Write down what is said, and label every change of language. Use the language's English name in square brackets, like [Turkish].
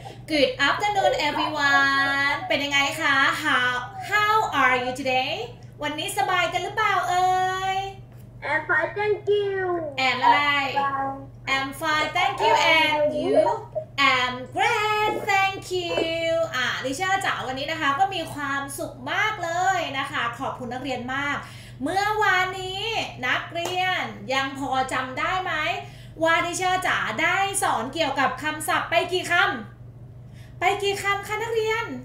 [English] Good afternoon, everyone. [Thai] เป็นยังไงคะ [English] How are you today? [Thai] วันนี้สบายกันหรือเปล่าเอ่ย [English] I'm fine, thank you. And อะไร I'm fine, thank you. And you? I'm great, thank you. [Thai] ดิฉันจ๋าวันนี้นะคะก็มีความสุขมากเลยนะคะขอบคุณนักเรียนมากเมื่อวานนี้นักเรียนยังพอจำได้ไหมว่าดิฉันจ๋าได้สอนเกี่ยวกับคำศัพท์ไปกี่คำคะนักเรียน